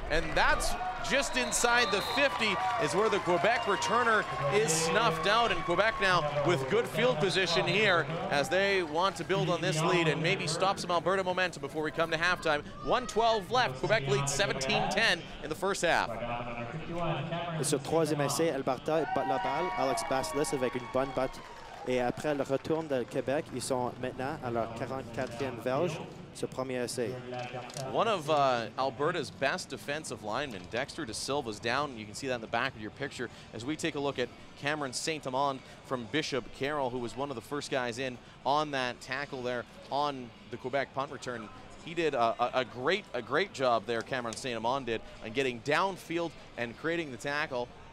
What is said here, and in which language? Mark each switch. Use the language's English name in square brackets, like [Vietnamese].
[English] And that's just inside the 50 is where the Quebec returner is snuffed out. And Quebec now with good field position here as they want to build on this lead and maybe stop some Alberta momentum before we come to halftime. 1:12 left. Quebec leads 17-10 in the first half. [French] Et sur troisième essai, Alberta bat la balle, Alex Bassos avec une bonne batte. Et après le retour de Québec, ils sont maintenant à leur 44e verge, ce premier essai. [English] One of Alberta's best defensive linemen, Dexter De Silva's down. You can see that in the back of your picture as we take a look at Cameron Saint-Amand from Bishop Carroll, who was one of the first guys in on that tackle there on the Quebec punt return. He did a great job there, Cameron Saint-Amand did, on getting downfield and creating the tackle.